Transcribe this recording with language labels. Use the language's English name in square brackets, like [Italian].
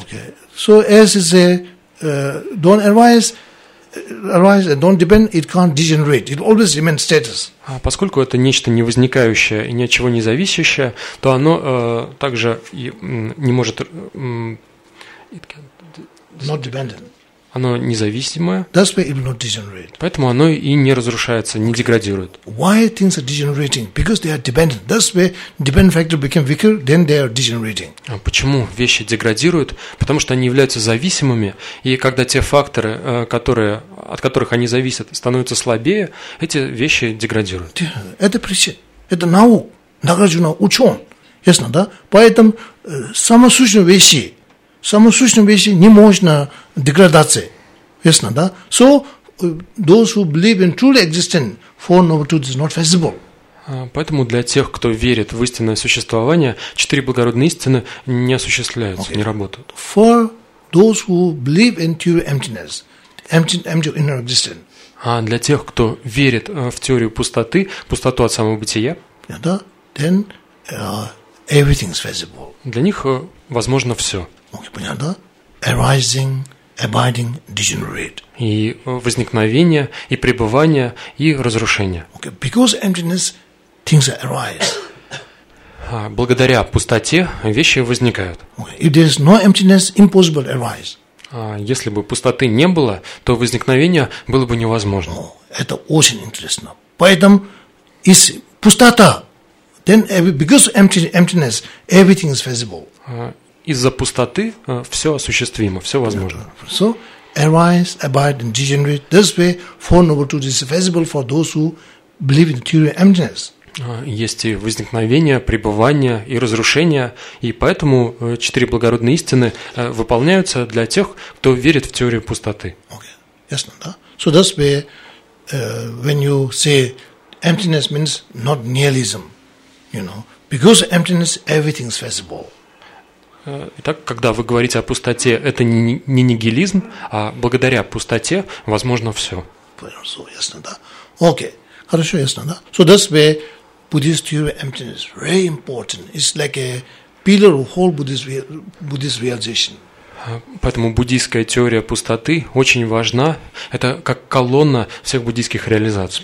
[English] Okay. So as is a don't arise, arise and don't depend, it can't degenerate. It always remains status. [Russian] А поскольку это нечто не возникающее и ни от чего не зависящее, то оно также и, не может... [English] not dependent. [Russian] Оно независимое. [English] That's why it will not degenerate. [Russian] Поэтому оно и не разрушается, не деградирует. [English] Why things are degenerating? Because they are dependent. That's why dependent factor became weaker, then they are degenerating. [Russian] А почему вещи деградируют? Потому что они являются зависимыми, и когда те факторы, которые, от которых они зависят, становятся слабее, эти вещи деградируют. Это причина. Это наука. Нагарджуна учен. Ясно, да? Поэтому самосущность вещи не можно деградации. Ясно, да? [English] So, those who believe in truly existent four noble truths is not feasible. [Russian] Поэтому для тех, кто верит в истинное существование, четыре благородные истины не осуществляются, okay. Не работают. [English] For those who believe in true emptiness, empty inner existence. [Russian] А для тех, кто верит в теорию пустоты, пустоту от самого бытия, [English] yeah, да? Then, everything's feasible. [Russian] Для них возможно все. [English] Okay, [Russian] понятно, да? [English] Arising, abiding, degenerate. [Russian] И возникновение, и пребывание, и разрушение. [English] Okay, because emptiness, things arise. [Russian] Благодаря пустоте вещи возникают. [English] Okay, if there's no emptiness, impossible arise. [Russian] Если бы пустоты не было, то возникновение было бы невозможно. Это очень интересно. Поэтому, если пустота, [English] then because emptiness, everything is feasible. [Russian] Из-за пустоты все осуществимо, все возможно. [English] So, arise, abide, and degenerate. This way, four noble truths is feasible for those who believe in theory of emptiness. [Russian] Есть и возникновение, пребывание и разрушение, и поэтому четыре благородные истины выполняются для тех, кто верит в теорию пустоты. Okay. Ясно, да? [English] So that's why when you say emptiness means not nihilism, you know, because emptiness everything is feasible. [Russian] Итак, когда вы говорите о пустоте, это не нигилизм, а благодаря пустоте возможно все. So, ясно, да? Okay. Хорошо, ясно, да? [English] So that's why Buddhist theory of emptiness very important. It's like a pillar of whole Buddhist realization. [Russian] Поэтому буддийская теория пустоты очень важна. Это как колонна всех буддийских реализаций.